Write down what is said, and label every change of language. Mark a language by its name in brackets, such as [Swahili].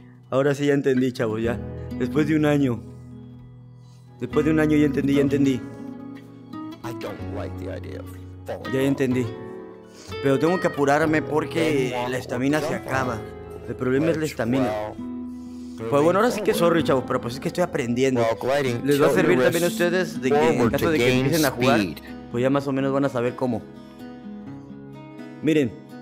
[Spanish] Ahora sí ya entendí, chavo, ya. Después de un año. Después de un año ya entendí, ya entendí. [English] I don't like the idea of falling. [Spanish] Ya entendí. Pero tengo que apurarme porque la estamina se acaba. El problema es la estamina. Pues bueno, ahora sí que sorry, chavos, pero pues es que estoy aprendiendo. Les va a servir también a ustedes de que en caso de que empiecen a jugar, pues ya más o menos van a saber cómo. Miren.